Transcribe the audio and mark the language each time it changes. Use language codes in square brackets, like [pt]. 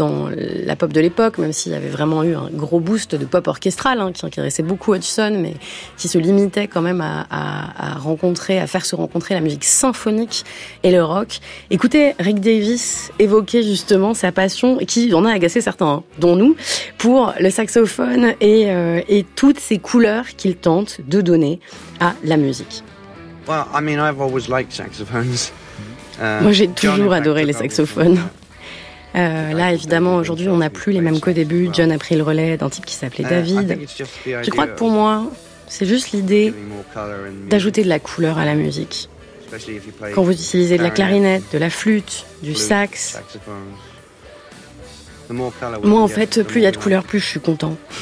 [fr] la pop de l'époque, même s'il y avait vraiment eu un gros boost de pop orchestral, hein, qui intéressait beaucoup Hodgson, mais qui se limitait quand même à faire se rencontrer la musique symphonique et le rock. Écoutez Rick Davis évoquer justement sa passion, qui en a agacé certains, hein, dont nous, pour le saxophone et toutes ces couleurs qu'il tente de donner à la musique. [en] Well, I mean, I've always liked saxophones. [fr] Moi, j'ai toujours adoré les saxophones. Là, évidemment, aujourd'hui, on n'a plus les mêmes qu'au début. John a pris le relais d'un type qui s'appelait David. Je crois que pour moi, c'est juste l'idée d'ajouter de la couleur à la musique. Quand vous utilisez de la clarinette, de la flûte, du sax, moi, en fait, plus il y a de couleurs, plus je suis content.